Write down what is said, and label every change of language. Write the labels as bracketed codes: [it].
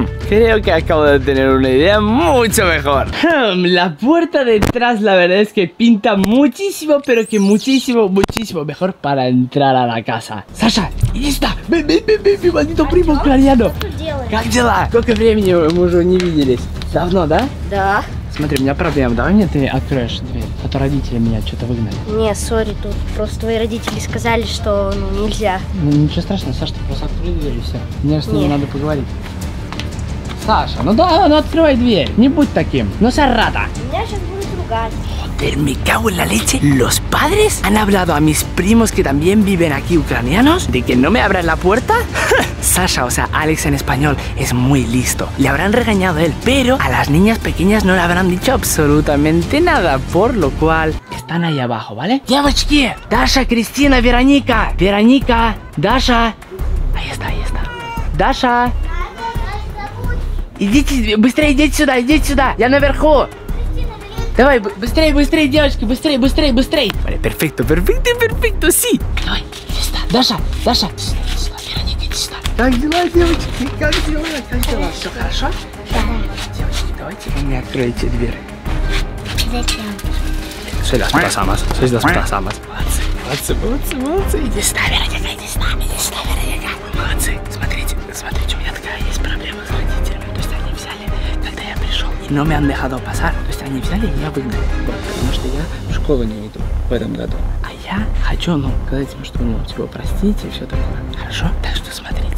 [es] Creo que acabo de tener una idea mucho mejor. La puerta detrás, la verdad es que pinta muchísimo, pero que muchísimo, muchísimo mejor para entrar a la casa. Sasha, ahí está. Ven, ven, ven, ven, mi maldito primo clariano. Cángela. ¿Cuánto tiempo hemos no visto? [ru] ¿Давно, да? Да. Смотри, у меня проблема, давай мне ты откроешь дверь, а то родители меня что-то выгнали. Не, сори, тут просто твои родители сказали, что ну, нельзя. Ну, ничего страшного, Саша, ты просто открой дверь и все. Мне с ними надо поговорить. Саша, ну да, ну открывай дверь, не будь таким. Ну, Сарата. Меня сейчас будет ругать. [es] Me cago en la leche. Los padres han hablado a mis primos, que también viven aquí, ucranianos, de que no me abran la puerta. Sasha, o sea, Alex en español, es muy listo. Le habrán regañado a él, pero a las niñas pequeñas no le habrán dicho absolutamente nada, por lo cual están ahí abajo, ¿vale? [ru] ¡Девочки! [es] Dasha, Cristina, Veronica. Veronica, Dasha. Ahí está, ahí está. Dasha. [ru] Идите, быстрее, идите сюда, идите сюда. Я наверху. Давай, быстрее, быстрее, девочки, быстрее, быстрее, быстрее. [es] Vale, perfecto, perfecto, perfecto, sí. [ru] Давай, сюда, [es] Даша, Даша. [ru] Сюда, сюда, Вероника, иди сюда. Как дела, девочки, как дела, как дела? Все хорошо? Да. Девочки, давайте вы мне откроете дверь. Зачем? [es] Soy las putas amas, sois las putas amas. [ru] Молодцы, молодцы, молодцы, молодцы. Иди сюда, Вероника, иди с нами, иди сюда, Вероника. Молодцы, смотрите, смотрите, у меня такая есть проблема с родителями. То есть они взяли, когда я пришел, и [es] no me han dejado pasar. [ru] Они взяли меня выгнали, потому что я в школу не иду в этом году. А я хочу, ну, сказать им, что, ну, типа, простите и все такое. Хорошо? Так что смотрите.